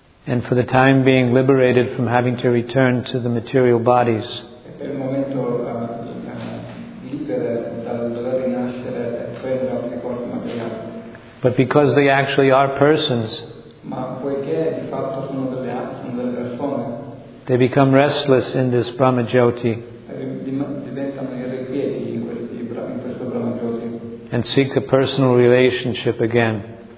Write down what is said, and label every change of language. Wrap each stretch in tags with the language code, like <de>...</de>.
<en>And for the time being liberated from having to return to the material bodies.</en> <it>E per il momento libera dal dover rinascere quello che corpo materiale.</it> <en>But because they actually are persons,</en> <it>ma poiché di fatto sono delle persone,</it> <en>they become restless in this Brahma Jyoti.</en> <it>Diventano irrequieti in questo Brahma Jyoti.</it> <en>And seek a personal relationship again.</en>